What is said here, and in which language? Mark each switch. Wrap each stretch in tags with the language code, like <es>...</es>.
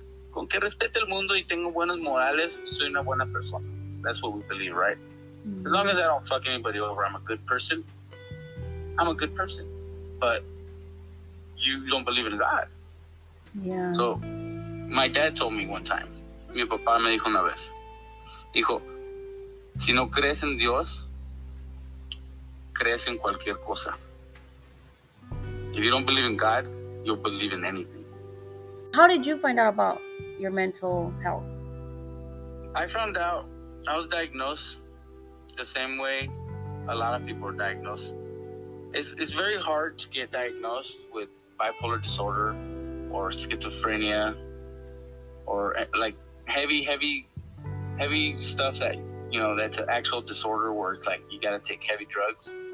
<es>Con que respete el mundo y tengo buenas morales, soy una buena persona.</es> <en>That's what we believe, right? As long as I don't fuck anybody over, I'm a good person. I'm a good person. But you don't believe in God. Yeah. So my dad told me one time,</en> <es>mi papá me dijo una vez, dijo, si no crees en Dios, crees en cualquier cosa.</es> <en>If you don't believe in God, you'll believe in anything. How did you find out about your mental health? I was diagnosed the same way a lot of people are diagnosed. It's very hard to get diagnosed with bipolar disorder or schizophrenia or like heavy stuff that, you know, that's an actual disorder where it's like you gotta take heavy drugs.</en>